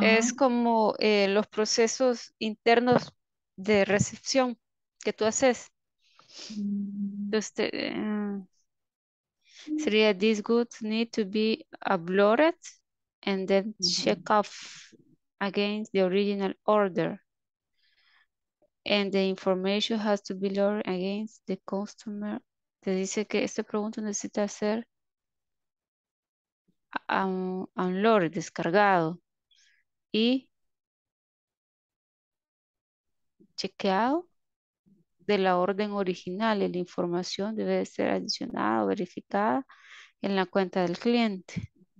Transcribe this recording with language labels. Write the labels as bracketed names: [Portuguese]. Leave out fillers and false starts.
[Spanish] Es como los procesos internos de recepción que tú haces. Entonces, sería [English] these goods need to be uploaded and then check off against the original order, and the information has to be loaded against the customer. [Spanish] Te dice que esta pregunta necesita ser unloaded, descargado y chequeado de la orden original. La información debe ser adicionada o verificada en la cuenta del cliente.